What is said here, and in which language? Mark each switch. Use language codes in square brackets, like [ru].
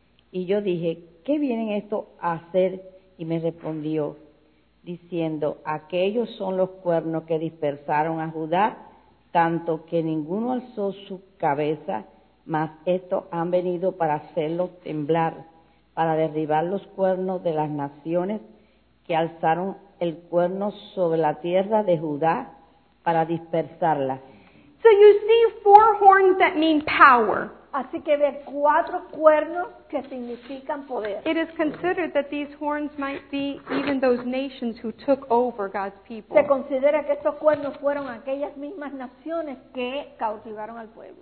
[es] Y yo dije, ¿qué vienen estos a hacer? Y me respondió, diciendo, aquellos son los cuernos que dispersaron a Judá, tanto que ninguno alzó su cabeza, mas estos han venido para hacerlos temblar, para derribar los cuernos de las naciones que alzaron el cuerno sobre la tierra de Judá para dispersarla. [en] So you see four horns that mean power. [es] Así que ve cuatro cuernos que significan poder. [en] It is considered that these horns might be even those nations who took over God's people. [es] Se considera que estos cuernos fueron aquellas mismas naciones que cautivaron al pueblo.